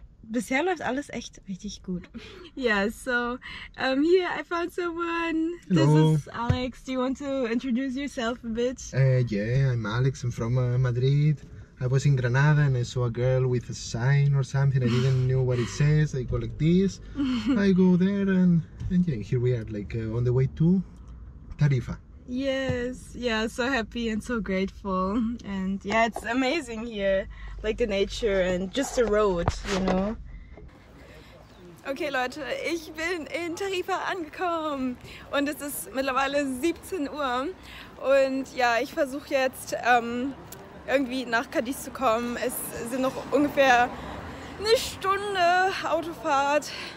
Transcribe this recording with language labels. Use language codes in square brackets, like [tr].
[de] Bisher läuft alles echt richtig gut. [en] Yeah, so, here I found someone. This Hello. is Alex. Do you want to introduce yourself a bit? Yeah, I'm Alex. I'm from Madrid. I was in Granada and I saw a girl with a sign or something. I didn't know what it says. I go like this. I go there and yeah, here we are, like on the way to Tarifa. Yes, yeah, so happy and so grateful. And yeah, it's amazing here. Like the nature and just the road, you know. [de] Okay, Leute, ich bin in Tarifa angekommen und es ist mittlerweile 17 Uhr. Und ja, ich versuche jetzt irgendwie nach Cadiz zu kommen. Es sind noch ungefähr eine Stunde Autofahrt.